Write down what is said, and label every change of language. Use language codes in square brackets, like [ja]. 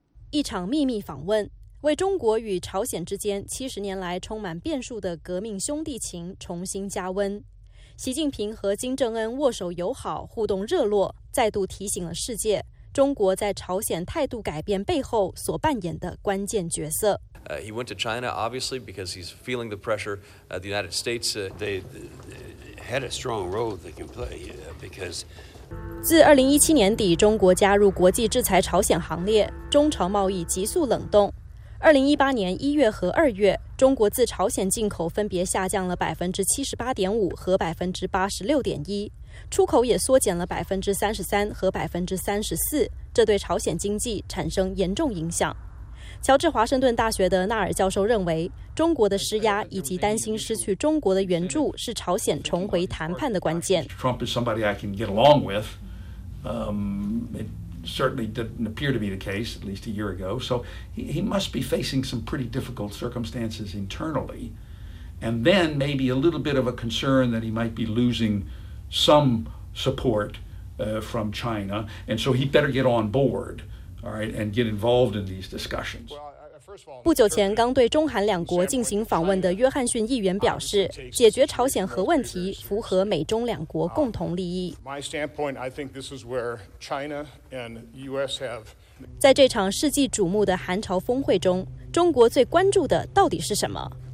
[zh] 一场秘密访问，为中国与朝鲜之间70年来充满变数的革命兄弟情重新加温。习近平和金正恩握手友好，互动热络，再度提醒了世界中国在朝鲜态度改变背后所扮演的关键角色。 [en] He went to China, obviously, because he's feeling the pressure. The United States, they had a strong role they can play, because. [zh] 自2017年底，中国加入国际制裁朝鲜行列，中朝贸易急速冷冻。 2018年1月和2月，中国自朝鲜进口分别下降了78.5%和86.1%，出口也缩减了33%和34%，这对朝鲜经济产生严重影响。乔治华盛顿大学的纳尔教授认为，中国的施压以及担心失去中国的援助是朝鲜重回谈判的关键。 [en] Trump is somebody I can get along with. It certainly didn't appear to be the case at least a year ago. So he must be facing some pretty difficult circumstances internally, and then maybe a little bit of a concern that he might be losing some support from China, and so he better get on board. [zh] 不久前刚对中韩两国进行访问的约翰逊议员表示，解决朝鲜核问题符合美中两国共同利益。在这场世纪瞩目的韩朝峰会中，中国最关注的到底是什么？